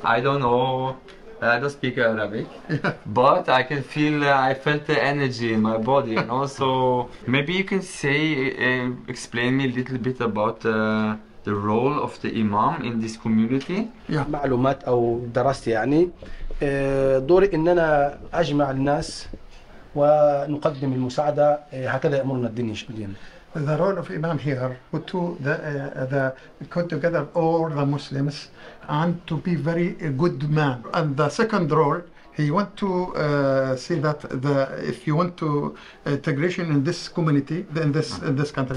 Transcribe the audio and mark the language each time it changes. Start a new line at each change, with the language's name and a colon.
English: I don't know, I don't speak Arabic, but I can feel, I felt the energy in my body, you know. So, maybe you can say, explain me a little bit about the role of the Imam in this community. Yeah.
Arabic: دوري اننا اجمع الناس ونقدم المساعده هكذا يامرنا الدين الشديد.
English: The role of Imam here was to put together all the Muslims and to be very good man. And the second role He want to say that the if you want to integration in this community, then this in this country.